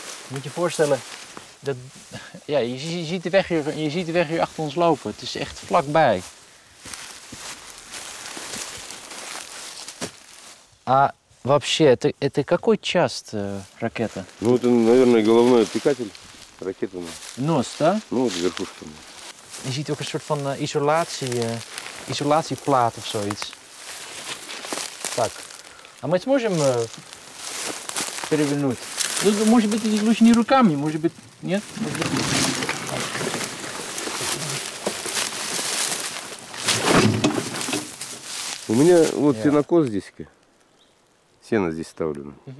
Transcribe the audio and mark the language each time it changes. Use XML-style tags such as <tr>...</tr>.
<nl>Moet je voorstellen, dat, ja, je ziet de weg hier achter ons lopen. Het is echt vlakbij.</nl> <ru>А вообще, это какой част ракета? Ну, это, наверное, головной отсекатель ракеты. Нос, да? Ну, вот верхушка.</ru> <nl>Je ziet ook een soort van</nl> <ru>изоляция, изоляция плат</ru> <nl>of zoiets.</nl> <ru>Так, а мы сможем перевернуть? Может быть, лучше не руками, может быть, нет? Может быть. У меня вот сенокос здесь. Сено здесь ставлено.</ru>